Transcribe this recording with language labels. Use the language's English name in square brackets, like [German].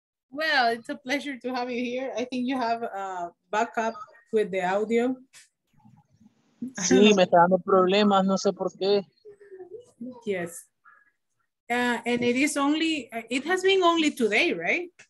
[English] Well, it's a pleasure to have you here. I think you have a backup with the audio. [Spanish] Sí, me está dando problemas, no sé por qué. [English] Yes. And it is only, it has been only today, right?